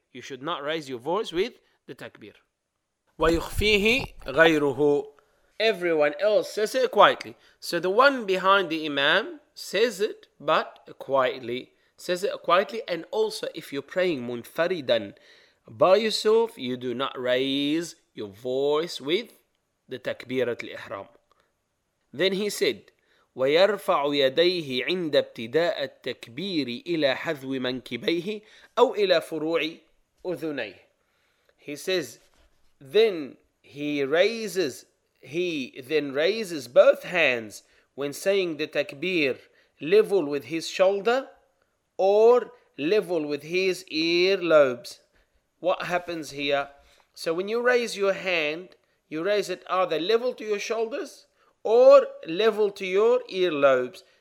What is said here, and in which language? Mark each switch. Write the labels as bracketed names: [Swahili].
[English] You should not raise your voice with the takbir. [Arabic] وَيُخْفِيهِ غَيْرُهُ, [English] everyone else says it quietly. So the one behind the imam says it, but quietly. Says it quietly. And also if you're praying munfaridan by yourself, you do not raise your voice with the takbirat al-ihram. Then he said, [Arabic] وَيَرْفَعُ يَدَيْهِ عِنْدَ ابْتِدَاءَ التَّكْبِيرِ إِلَى حَذْوِ مَنْكِبَيْهِ أَوْ إِلَى فُرُوعِ أُذُنَيْهِ. [English] He says, then he then raises both hands when saying the takbir, level with his shoulder or level with his ear lobes. What happens here? So when you raise your hand, you raise it either level to your shoulders or level to your earlobes.